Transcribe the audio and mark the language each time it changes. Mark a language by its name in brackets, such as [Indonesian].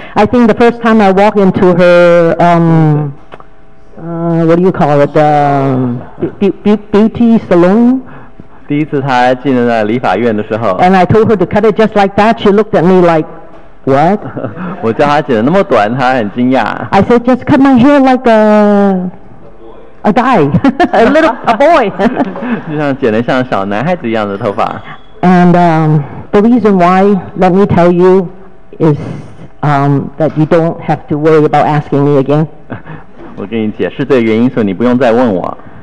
[English] I think the first time I walk into her, what do you call it? Beauty salon? [Chinese] 第一次她进入那理发院的时候, [English] and I told her to cut it just like that, she looked at me like, what? [Chinese] 我叫她剪得那么短, 她很惊讶。 [English] I said, just cut my hair like a guy, a boy. [Chinese] 就像剪得像小男孩子一样的头发。 [English] And the reason why, let me tell you, is that you don't have to worry about asking me again. [Chinese] 我给你解释这个原因, 所以你不用再问我。